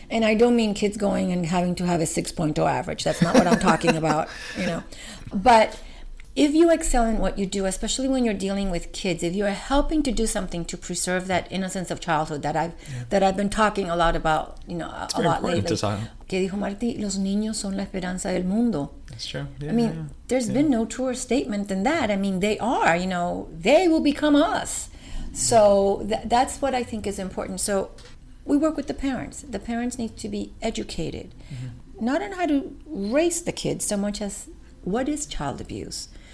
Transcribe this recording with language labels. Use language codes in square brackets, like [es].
[en] And I don't mean kids going and having to have a 6.0 average. That's not what I'm talking about, you know. But if you excel in what you do, especially when you're dealing with kids, if you're helping to do something to preserve that innocence of childhood that I've been talking a lot about, you know, it's very important lately. [es] Que dijo Martí, los niños son la esperanza del mundo. [en] That's true. Yeah, I mean, there's been no truer statement than that. I mean, they are, you know, they will become us. So that's what I think is important. So we work with the parents. The parents need to be educated, not on how to raise the kids so much as what is child abuse?